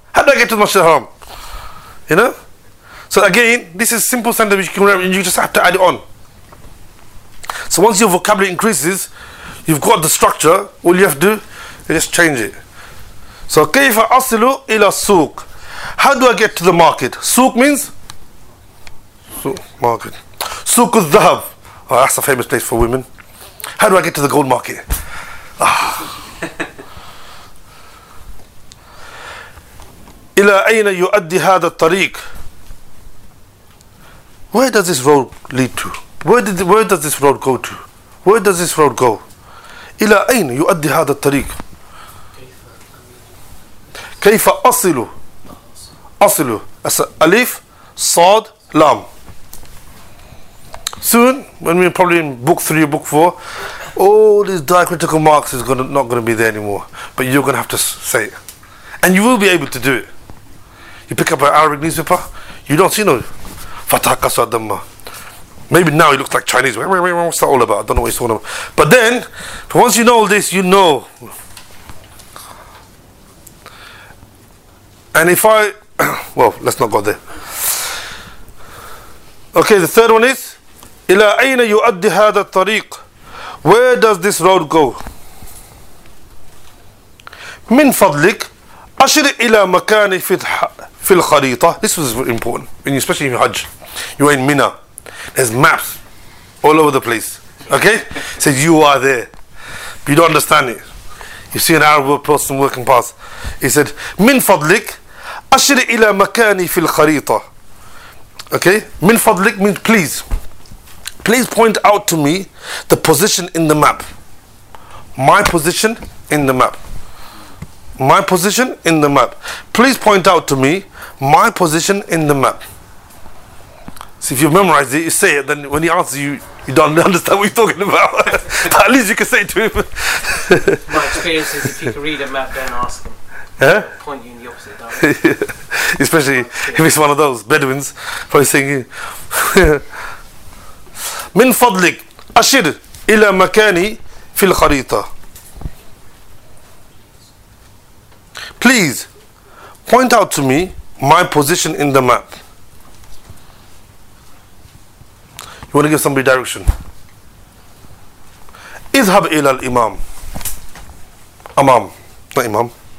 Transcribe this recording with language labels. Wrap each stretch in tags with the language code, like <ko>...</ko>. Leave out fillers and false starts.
<en>How do I get to the مسجد الحرام? You know. So again, this is simple sentence which you can remember, and you just have to add it on. So once your vocabulary increases, you've got the structure, all you have to do is just change it.</en> <ar>So, كيف أصل إلى السوق?</ar> <en>How do I get to the market? Souk means? Souk, market. Souk al-Dhahab. Oh, that's a famous place for women. How do I get to the gold market?</en> <ar>إلى أين يؤدي هذا الطريق?</ar> <en>Where does this road lead to? Where does this road go to? Where does this road go?</en> <ar>إلى أين يؤدي هذا الطريق؟ كيف أصل؟ أصل ألف صاد لام.</ar> <en>Soon, when we're probably in book 3 or book 4, all these diacritical marks is not going to be there anymore. But you're going to have to say it. And you will be able to do it. You pick up an Arabic newspaper, you don't see no Fatah Qasu Adamma. Maybe now he looks like Chinese. What's that all about? I don't know what he's talking about. But then, once you know all this, you know. And if I... Well, let's not go there. Okay, the third one is, إلى أين يؤدي هذا الطريق? Where does this road go?</en> <ar>من فضلك, أشر إلى مكاني في الخريطة.</ar> <en>This was very important, especially in Hajj. You are in Mina. There's maps all over the place. Okay? It says, you are there. But you don't understand it. You see an Arab person walking past.</en> <ar>He said, من فضلك, أشر إلى مكاني في الخريطة.</ar> <en>Okay? من فضلك means please. Please point out to me the position in the map. My position in the map. My position in the map. Please point out to me my position in the map. So if you memorize it, you say it, then when he answers you, you don't understand what he's talking about. At least you can say it to him. My experience is if you can read a map, then ask Yeah? Point you in the opposite direction. Yeah. Especially if it's one of those Bedouins, probably singing.</en> <ar>من فضلك أشر إلى مكاني في الخريطة.</ar> <en>Please point out to me my position in the map. You want to give somebody direction.</en> <ar>اذهب إلى الإمام. Imam, not Imam.</ar>